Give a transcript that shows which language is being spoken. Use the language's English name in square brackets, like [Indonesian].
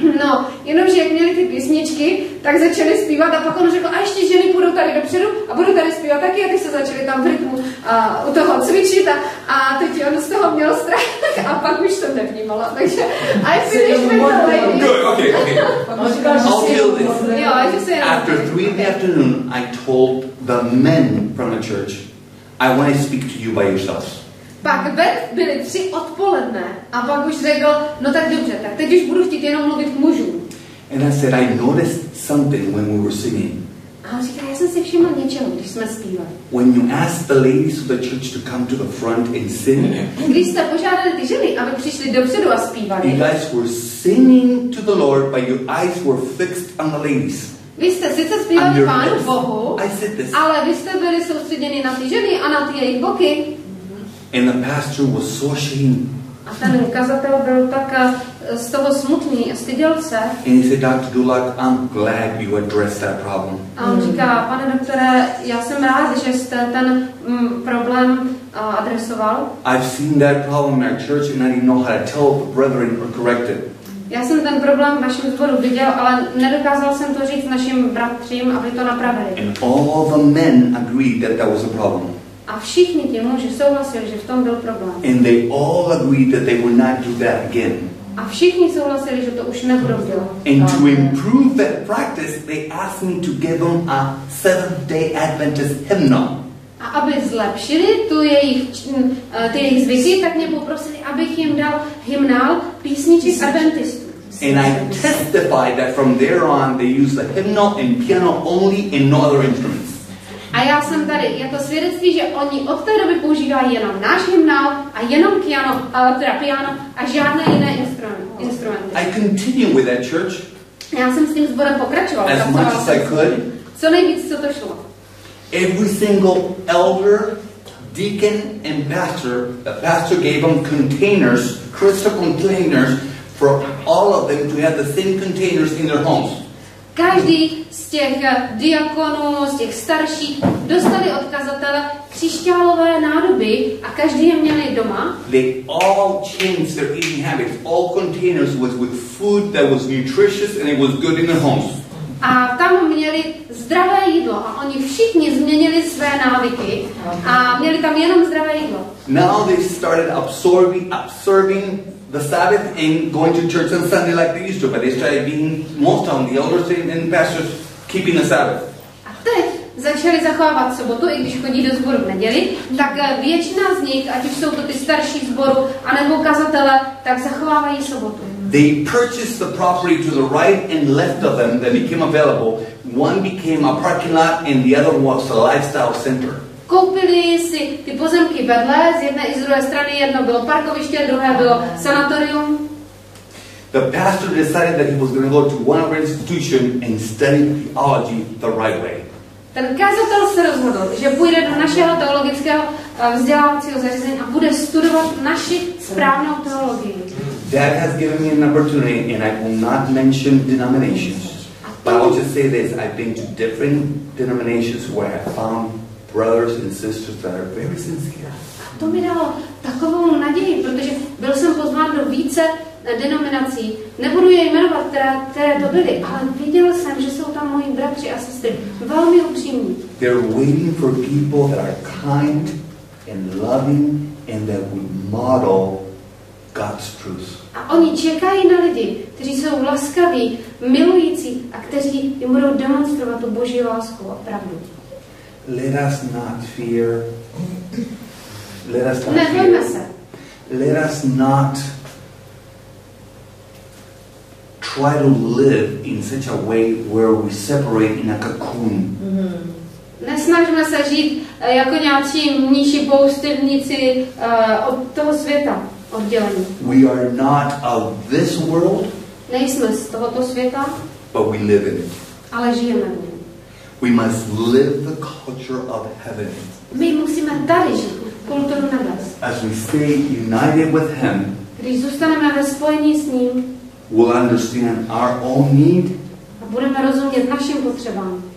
[Czech] No, jenomže jak měli ty písničky, tak začali zpívat a pak on řekl, a ještě ženy půjdou tady dopředu a budou tady zpívat taky a ty se začali tam v rytmu u toho cvičit a teď on z toho měl strach a pak už to nevnímala, takže [English] I finished with the lady. Okay. I'll kill this. After 3 in the afternoon, I told the men from the church, I want to speak to you by yourselves. [Czech] Pak ven byly 3 odpoledne a pak už řekl, no tak dobře, tak teď už budu chtít jenom mluvit k mužům. [English] And I said, I noticed something when we were singing. [Czech] A on říkal, já jsem si všiml něčemu, když jsme zpívali. [English] When you ask the ladies of the church to come to the front and sing. [Czech] Když jste požádali ty ženy, aby přišli dopředu a zpívali. [English] You guys were singing to the Lord, but your eyes were fixed on the ladies. [Czech] Vy jste sice zpívali Pánu Bohu, [English] I said this. [Czech] Ale vy jste byli soustředěni na ty ženy a na ty jejich boky. [English] And the pastor was so ashamed. [Czech] A ten ukazatel byl tak z toho smutný, styděl se. [English] And he said, Dr. Dulak, I'm glad you addressed that problem. [Czech] A on říká, pane doktore, já jsem rád, že jste ten problém adresoval. [English] I've seen that problem in our church and I didn't know how to tell the brethren or correct it. [Czech] Já jsem ten problém v našem zboru viděl, ale nedokázal jsem to říct našim bratřím, aby to napravili. [English] And all the men agreed that that was a problem. [Czech] A všichni ti muži souhlasili, že v tom byl problém. [English] And they all agreed that they would not do that again. [Czech] A všichni souhlasili, že to už nebudou dělat. [English] And to improve that practice, they asked me to give them a Seventh-day Adventist hymnal. [Czech] A aby zlepšili tu jejich ty jejich zvyky, tak mě poprosili, abych jim dal hymnál písniček adventistů. [English] And I testified that from there on they use the hymnal and piano only and no other instruments. [Czech] A já jsem tady, je to svědectví, že oni od té doby používají jenom náš hymnál a jenom piano, teda piano a žádné jiné instrumenty. [English] I continued with that church. [Czech] Já jsem s tím sborem pokračoval. [English] As much as I could. [Czech] Co nejvíc, co to šlo. [English] Every single elder, deacon and pastor, the pastor gave them containers, crystal containers, for all of them to have the same containers in their homes. [Czech] Každý z těch diakonů, z těch starších, dostali od kazatele křišťálové nádoby a každý je měl doma. [English] They all changed their eating habits. All containers was with food that was nutritious and it was good in their homes. [Czech] A tam měli zdravé jídlo a oni všichni změnili své návyky a měli tam jenom zdravé jídlo. [English] Now they started observing the Sabbath and going to church on Sunday like they used to, but they started being most of the elders and pastors keeping the Sabbath. [Czech] A teď začali zachovávat sobotu, i když chodí do zboru v neděli, tak většina z nich, ať už jsou to ty starší zboru, anebo kazatele, tak zachovávají sobotu. [English] They purchased the property to the right and left of them that became available. One became a parking lot and the other was a lifestyle center. [Czech] Koupili si ty pozemky vedle, z jedné i z druhé strany, jedno bylo parkoviště, druhé bylo sanatorium. [English] The pastor decided that he was going to go to one of our institutions and study theology the right way. [Czech] Ten kazatel se rozhodl, že půjde do našeho teologického vzdělávacího zařízení a bude studovat naši správnou teologii. [English] That has given me an opportunity and I will not mention denominations. But I will just say this, I've been to different denominations where I found brothers and sisters that are very sincere. [Czech] to mi dalo takovou naději, protože byl jsem pozván do více denominací. Nebudu je jmenovat, které to byly, ale viděl jsem, že jsou tam moji bratři a sestry. Velmi upřímní. [English] They're waiting for people that are kind and loving and that would model God's truth. [Czech] A oni čekají na lidi, kteří jsou laskaví, milující a kteří jim budou demonstrovat tu Boží lásku a pravdu. [English] Let us not fear. [Czech] Nebojme se. [English] Let us not try to live in such a way where we separate in a cocoon. [Czech] Nesnažme se žít jako nějaký mniši poustevníci od toho světa. [English] We are not of this world. [Czech] Nejsme z tohoto světa. [English] But we live in it. [Czech] Ale žijeme v něm. [English] We must live the culture of heaven. [Czech] My musíme tady žít kulturu nebes. [English] As we stay united with him. [Czech] Když zůstaneme ve spojení s ním. [English] We'll understand our own need. [Czech] A budeme rozumět našim potřebám.